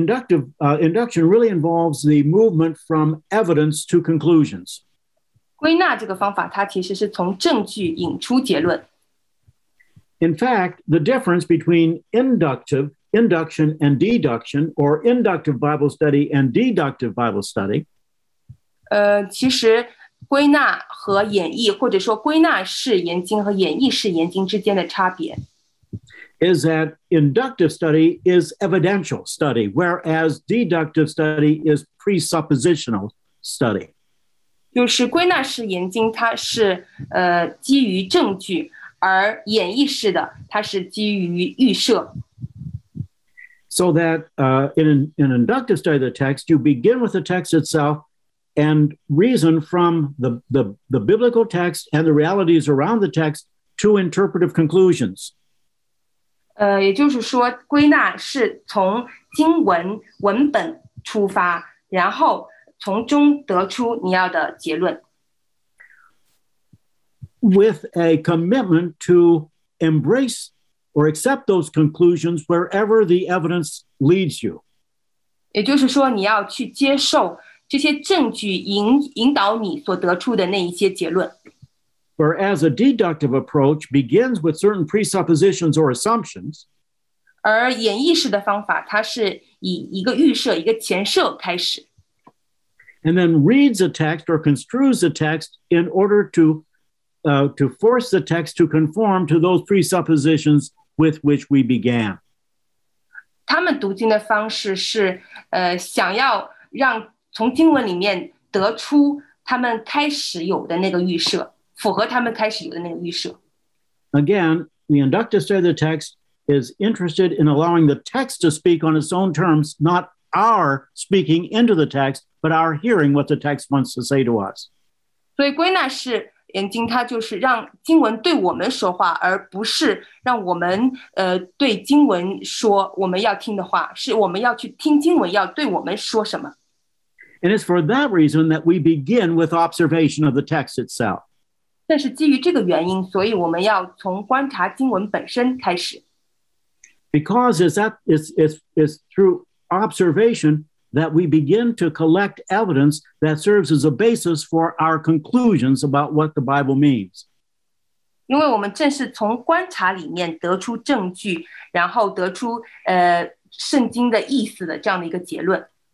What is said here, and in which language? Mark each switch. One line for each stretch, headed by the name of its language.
English: Induction really involves the movement from evidence to conclusions.
Chinese: 归纳这个方法，它其实是从证据引出结论。
English: In fact, the difference between induction and deduction, or inductive Bible study and deductive Bible study,
Chinese: 其实归纳和演绎，或者说归纳式研经和演绎式研经之间的差别。
English: Is that inductive study is evidential study, whereas deductive study is presuppositional study.
Chinese: 就是归纳式研经它是基于证据，而演绎式的它是基于预设。
English: So that in inductive study of the text, you begin with the text itself and reason from the biblical text and the realities around the text to interpretive conclusions.
Chinese: 也就是说归纳是从经文文本出发然后从中得出你要的结论
English: With a commitment to embrace or accept those conclusions wherever the evidence leads you
Chinese: 也就是说你要去接受这些证据 引导你所得出的那一些结论
English: Whereas a deductive approach begins with certain presuppositions or assumptions,
Chinese: 而演绎式的方法，它是以一个预设、一个前设开始
English: and then reads a text or construes a text in order to force the text to conform to those presuppositions with which we began.
Chinese: 他们读经的方式是，想要让从经文里面得出他们开始有的那个预设。符合他们开始有的那个预设。
English: Again, the inductive study of the text is interested in allowing the text to speak on its own terms, not our speaking into the text, but our hearing what the text wants to say to us.
Chinese: 所以归纳式研经它就是让经文对我们说话，而不是让我们对经文说我们要听的话，是我们要去听经文要对我们说什么。
English: And it's for that reason that we begin with observation of the text itself.
Chinese: 但是基于这个原因，所以我们要从观察经文本身开始。
English: Because it's through observation that we begin to collect evidence that serves as a basis for our conclusions about what the Bible means.
Chinese: 因为我们正是从观察里面得出证据，然后得出圣经的意思的这样的一个结论。